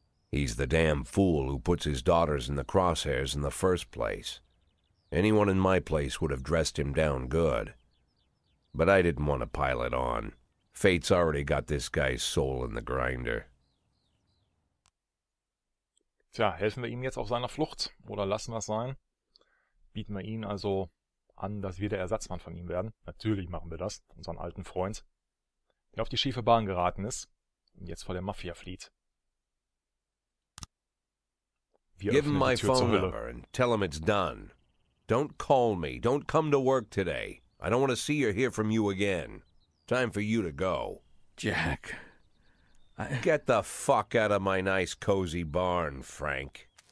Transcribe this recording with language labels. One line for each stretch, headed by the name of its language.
English: He's the damn fool who puts his daughters in the crosshairs in the first place. Anyone in my place would have dressed him down good. But I didn't want to pile it on. Fate's already got this guy's soul in the grinder.
German: Tja, helfen wir ihm jetzt auf seiner Flucht? Oder lassen wir es sein? Bieten wir ihn also an, dass wir der Ersatzmann von ihm werden? Natürlich machen wir das, unseren alten Freund, der auf die schiefe Bahn geraten ist und jetzt vor der Mafia flieht. Wir öffnen die Tür zur Hölle.
English: Give him my phone number and tell him it's done. Don't call me. Don't come to work today. I don't want to see or hear from you again. Time for you to go. Jack, I... Get the fuck out of my nice cozy barn, Frank.